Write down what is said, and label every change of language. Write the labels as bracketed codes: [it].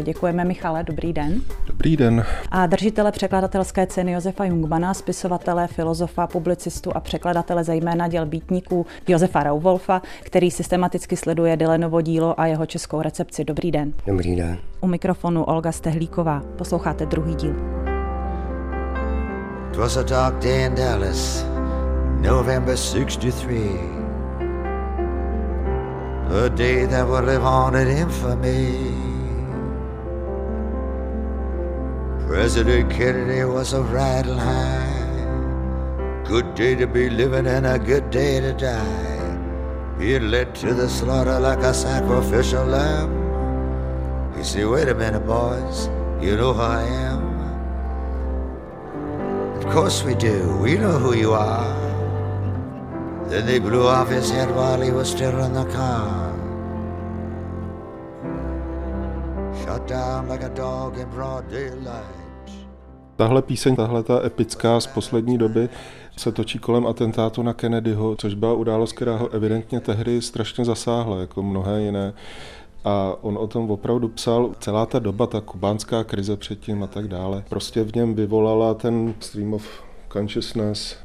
[cs] Děkujeme, Michale, dobrý den. Dobrý den. A držitele překladatelské ceny Josefa Jungmana, spisovatele, filozofa, publicistu a překladatele zejména děl býtníků Josefa Rauwolfa, který systematicky sleduje Dylanovo dílo a jeho českou recepci. Dobrý den. Dobrý den. U mikrofonu Olga Stehlíková. Posloucháte druhý díl. [en] It was a dark day in Dallas, November 63. A day that would live on in infamy. President Kennedy was a rattle high. Good day to be living and a good day to die. He'd led to the slaughter like a sacrificial lamb. He said, wait a minute, boys, you know who I am. Of course we do, we know who you are. Then they blew off his head while he was still in the car. Shot down like a dog in broad daylight. [cs] Tahle píseň, tahle ta epická z poslední doby, se točí kolem atentátu na Kennedyho, což byla událost, která ho evidentně tehdy strašně zasáhla, jako mnohé jiné. A on o tom opravdu psal, celá ta doba, ta kubánská krize předtím a tak dále, prostě v něm vyvolala ten [en] stream of consciousness.